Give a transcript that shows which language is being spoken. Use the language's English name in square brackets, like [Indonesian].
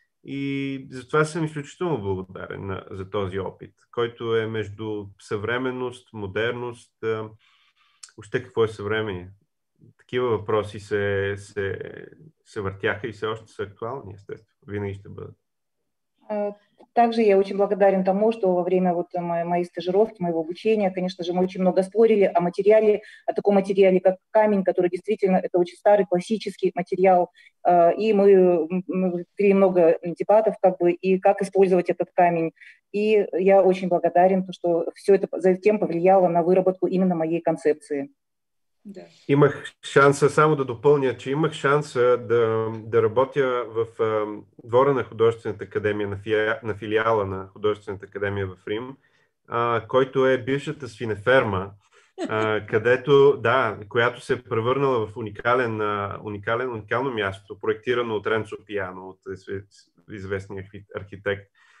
[Bulgarian] И затова съм изключително благодарен за този опит, който е между съвременност, модерност, още какво е съвремение. Такива въпроси се въртяха и все още са актуални, естествено. Винаги ще бъдат. [Russian] Также я очень благодарен тому, что во время вот моей стажировки, моего обучения, конечно же, мы очень много спорили о материале, о таком материале, как камень, который действительно это очень старый классический материал, и мы вели много дебатов, как бы, и как использовать этот камень. И я очень благодарен, то, что все это затем повлияло на выработку именно моей концепции. [Bulgarian] Да. Имах шанса, само да допълня, че имах шанса да работя в двора на художествената академия, на филиала на художествената академия в Рим, който е бившата свинеферма, където, да, която се е превърнала в уникално място, проектирано от Ренцо Пиано, от известния архитект.